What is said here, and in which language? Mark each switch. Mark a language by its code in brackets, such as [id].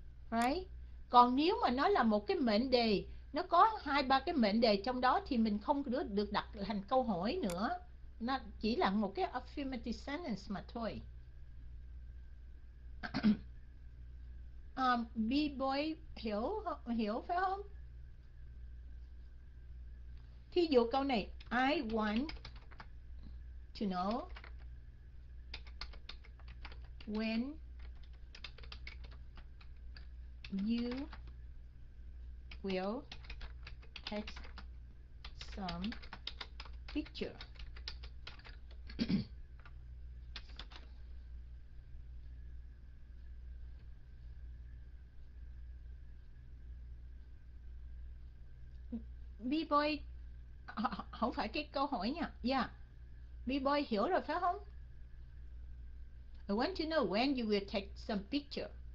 [vi] Right? Còn nếu mà nó là một cái mệnh đề, nó có hai ba cái mệnh đề trong đó thì mình không được được đặt thành câu hỏi nữa. Nó chỉ là một cái affirmative sentence mà thôi. B-boy hiểu hiểu phải không? Thí dụ câu này, [en] I want to know when you will take some picture. [vi] B-boy không phải cái câu hỏi nha. B-boy hiểu rồi phải không? [en] I want to know when you will take some picture.